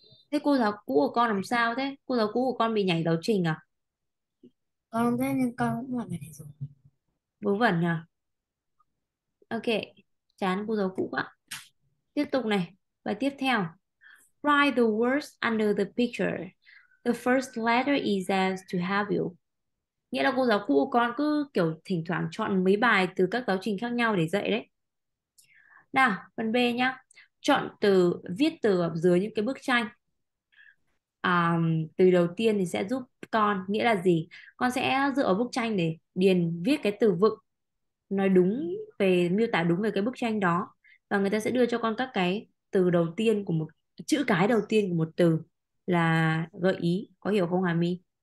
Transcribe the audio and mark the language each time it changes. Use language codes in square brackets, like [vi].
[vi] Thế cô giáo cũ của con làm sao thế? Cô giáo cũ của con bị nhảy giáo trình à? Con thế nhưng con cũng làm bài này rồi. Vớ vẩn nhỉ? Ok, chán cô giáo cũ quá. Tiếp tục này, bài tiếp theo. [en] Write the words under the picture. The first letter is as to help you. [vi] Nghĩa là cô giáo cũ của con cứ kiểu thỉnh thoảng chọn mấy bài từ các giáo trình khác nhau để dạy đấy. Nào, phần B nhá. Chọn từ, viết từ ở dưới những cái bức tranh. Từ đầu tiên thì sẽ giúp con nghĩa là gì? Con sẽ dựa vào bức tranh để điền viết cái từ vựng nói đúng về miêu tả đúng về cái bức tranh đó và người ta sẽ đưa cho con các cái từ đầu tiên của một chữ cái đầu tiên của một từ là gợi ý, có hiểu không Hà My?